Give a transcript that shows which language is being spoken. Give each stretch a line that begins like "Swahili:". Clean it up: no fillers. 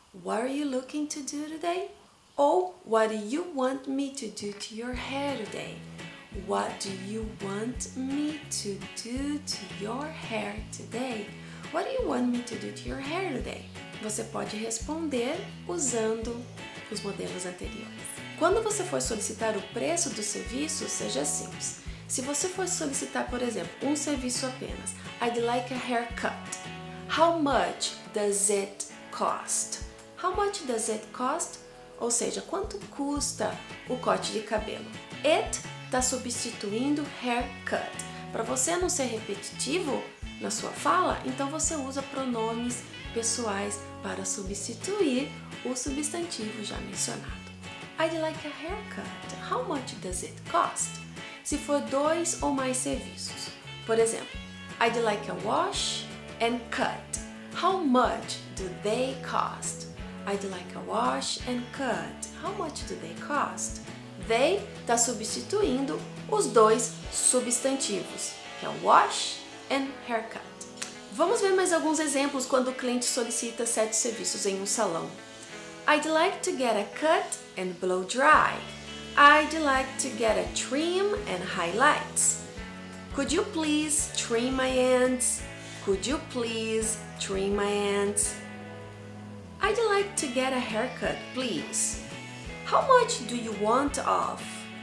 English: What are you looking to do today? Oh, what do you want me to do to your hair today? What do you want me to do to your hair today? What do you want me to do to your hair today?
Portuguese: Você pode responder usando os modelos anteriores. Quando você for solicitar o preço do serviço, seja simples. Se você for solicitar, por exemplo, um serviço apenas,
English: I'd like a haircut. How much does it cost? How much does it cost?
Portuguese: Ou seja, quanto custa o corte de cabelo? It está substituindo haircut. Para você não ser repetitivo na sua fala, então você usa pronomes pessoais para substituir o substantivo já mencionado.
English: I'd like a haircut. How much does it cost?
Portuguese: Se for 2 ou mais serviços. Por exemplo,
English: I'd like a wash and cut. How much do they cost? I'd like a wash and cut. How much do they cost? They
Portuguese: está substituindo os 2 substantivos, que é
English: wash and haircut.
Portuguese: Vamos ver mais alguns exemplos quando o cliente solicita 7 serviços em um salão.
English: I'd like to get a cut and blow dry. I'd like to get a trim and highlights. Could you please trim my ends? Could you please trim my ends? I'd like to get a haircut, please. How much do you want off?